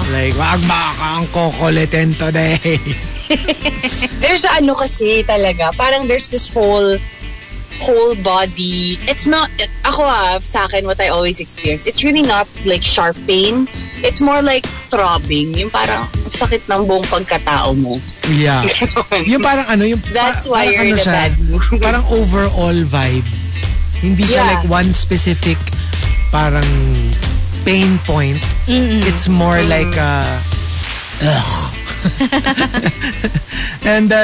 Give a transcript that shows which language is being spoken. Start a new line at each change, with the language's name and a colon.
Filipino: Like, wag maka ang kokoletin today.
English: There's
Filipino: ano kasi talaga, parang
English: there's this whole body. It's not,
Filipino: ako ah, sa akin,
English: what I always experience, it's really not like sharp pain. It's more like throbbing.
Filipino: Yung parang sakit ng buong pagkatao mo. Yeah. Yung parang ano, yung
English: that's why you're
Filipino: ano in siya,
English: a bad mood.
Filipino: Parang overall vibe. Hindi siya
English: like one specific
Filipino: parang
English: pain point. Mm-mm. It's more like a, and